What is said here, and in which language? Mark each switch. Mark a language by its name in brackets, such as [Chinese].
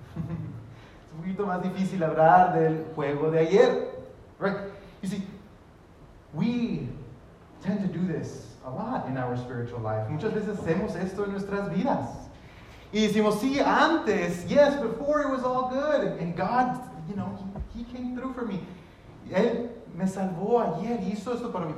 [Spanish] Es un poquito más difícil hablar del juego de ayer. [English] Right? You see, we tend to do this a lot in our spiritual life. [Spanish] Muchas veces hacemos esto en nuestras vidas. Y decimos, sí, antes, [English] yes, before it was all good. And God, you know, he came through for me. [Spanish] Él me salvó ayer, hizo esto para mí.